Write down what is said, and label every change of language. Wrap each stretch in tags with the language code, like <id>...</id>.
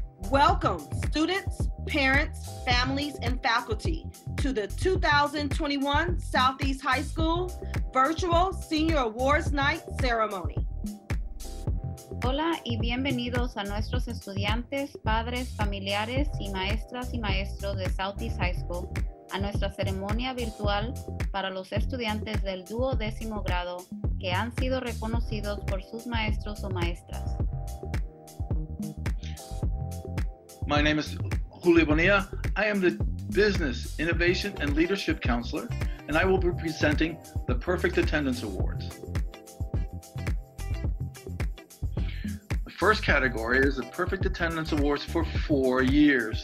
<en>Welcome, students, parents, families, and faculty to the 2021 Southeast High School Virtual Senior Awards Night Ceremony.</en> <es>Hola y bienvenidos a nuestros estudiantes, padres, familiares, y maestras y maestros de Southeast High School a nuestra ceremonia virtual para los estudiantes del duodécimo grado que han sido reconocidos por sus maestros o maestras.</es> <en>My name is Julia Bonilla. I am the Business, Innovation, and Leadership Counselor, and I will be presenting the Perfect Attendance Awards. The first category is the Perfect Attendance Awards for 4 years.</en>